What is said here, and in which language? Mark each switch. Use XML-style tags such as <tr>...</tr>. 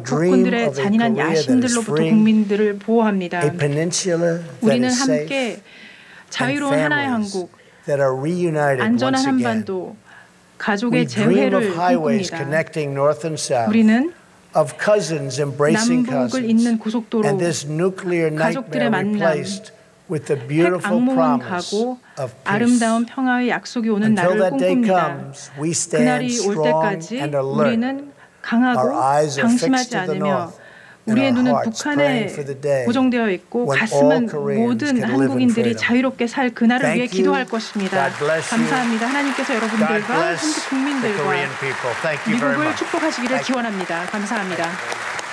<ko>폭군들의 잔인한 야심들로부터 국민들을 보호합니다. 우리는 함께 자유로운 하나의 한국, 안전한 한반도, 가족의 재회를 꿈꿉니다. 우리는</ko> <en>of cousins embracing cousins, and this nuclear nightmare replaced with the beautiful promise of peace. Until that day comes, we stand strong and alert. Our eyes are fixed to the north, and our hearts praying for the day when all Koreans can live in freedom. Thank you. God bless you.</en> <ko>감사합니다. 하나님께서 여러분들과 한국 국민들과 미국을 축복하시기를 기원합니다. 감사합니다.</ko>